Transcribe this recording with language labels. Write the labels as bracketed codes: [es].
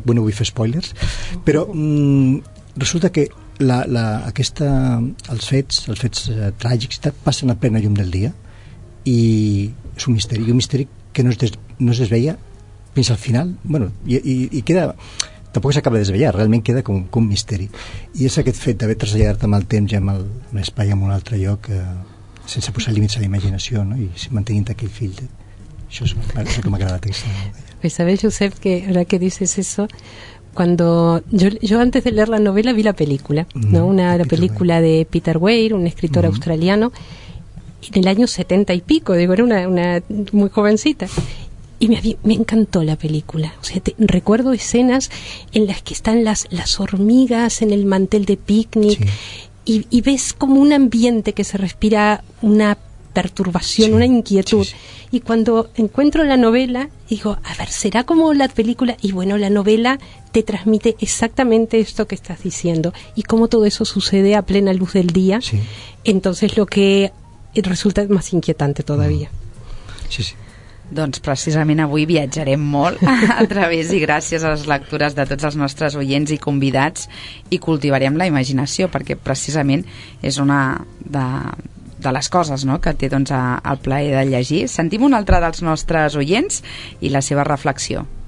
[ca] Bueno, vull fer spoilers, però resulta que els fets tràgics passen a plena llum del dia, i és un misteri que no es desveia fins al final. Bueno, i queda, tampoc s'acaba de desvellar, realment queda com un misteri, i és aquest fet d'haver traslladat amb el temps i amb l'espai en un altre lloc, sense posar límits a la imaginació, no? I mantenint aquell fill. Això és el que m'ha agradat. [es] Pues sabes, Josep, que ahora que dices eso, cuando yo antes de leer la novela vi la película, ¿no? La película de Peter Weir, un escritor australiano, en el año 70 y pico, digo, era una muy jovencita. Y me encantó la película. O sea, recuerdo escenas en las que están las hormigas en el mantel de picnic. Sí. Y ves como un ambiente que se respira una perturbación, sí, una inquietud. Sí, sí. Y cuando encuentro la novela, digo, a ver, ¿será como la película? Y bueno, la novela te transmite exactamente esto que estás diciendo. Y cómo todo eso sucede a plena luz del día. Sí. Entonces lo que resulta es más inquietante todavía. Sí, sí. [ca] Doncs precisament avui viatjarem molt a través i gràcies a les lectures de tots els nostres oients i convidats, i cultivarem la imaginació, perquè precisament és una de les coses, no?, que té, doncs, el plaer de llegir. Sentim un altre dels nostres oients i la seva reflexió.